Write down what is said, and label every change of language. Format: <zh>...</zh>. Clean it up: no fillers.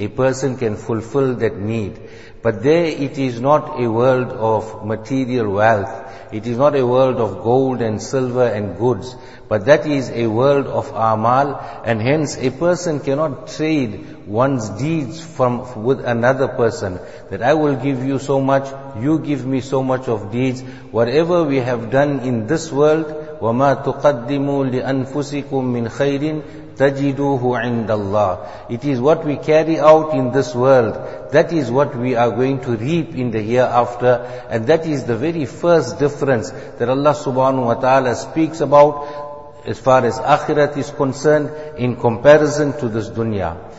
<en>A person can fulfill that need. But there it is not a world of material wealth. It is not a world of gold and silver and goods. But that is a world of amal, and hence a person cannot trade one's deeds with another person. That I will give you so much, you give me so much of deeds. Whatever we have done in this world,</en> <ar>وَمَا تُقَدِّمُوا لِأَنفُسِكُم مِّن خَيْرٍ تَجِدُوهُ عِنْدَ اللَّهِ.</ar> <en>It is what we carry out in this world, that is what we are going to reap in the hereafter. And that is the very first difference that Allah subhanahu wa ta'ala speaks about as far as akhirat is concerned in comparison to this dunya.</en>